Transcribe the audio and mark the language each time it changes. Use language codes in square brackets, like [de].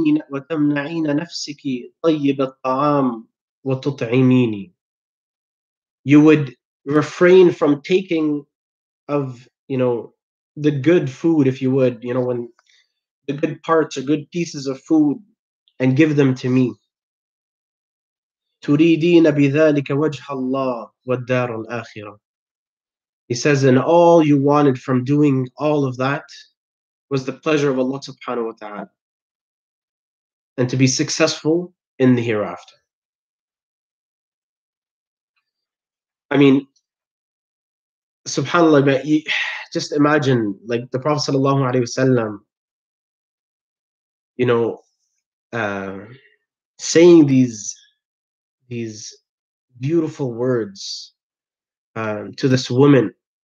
[ar] وتمنعين نفسك طيب الطعام وتطعميني. [en] You would refrain from taking of, you know, the good food, if you would, you know, when the good parts or good pieces of food, and give them to me. [ar] تريدين بذلك وجه الله والدار الآخرة. [en] He says, and all you wanted from doing all of that was the pleasure of Allah subhanahu wa ta'ala, and to be successful in the hereafter. I mean, subhanAllah, but you, just imagine, like the Prophet sallallahu alaihi wasallam, you know, saying these beautiful words to this woman.